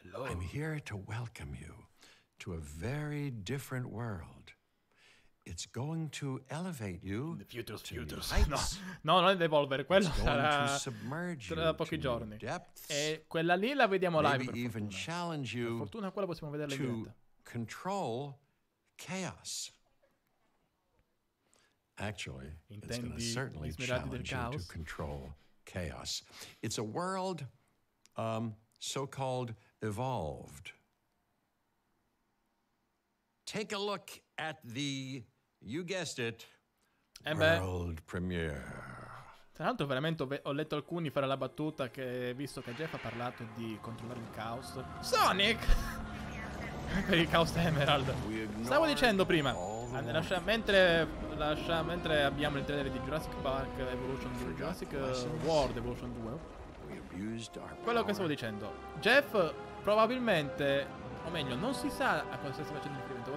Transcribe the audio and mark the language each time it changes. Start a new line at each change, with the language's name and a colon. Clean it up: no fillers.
English: I'm here to welcome you to a very different world. It's going to elevate you. In the future.
Italian: No, non è devolvere, quello sarà tra pochi giorni. E quella lì la vediamo live.
English: Maybe even challenge you.
Italian: Per fortuna quella possiamo vederla in diretta.
English: Control chaos. Actually,
Italian: intendi
English: it's certainly challenge you to control chaos. It's a world so-called evolved. Take a look at the, you guessed it, world premiere.
Italian: Tra l'altro veramente ho letto alcuni fare la battuta che, visto che Jeff ha parlato di controllare il caos. Sonic! Per il Chaos Emerald. Stavo dicendo prima. Mentre abbiamo il trailer di Jurassic Park Evolution 2, Jurassic World Evolution 2, quello che stavo dicendo, Jeff probabilmente, o meglio, non si sa a cosa stesse facendo riferimento.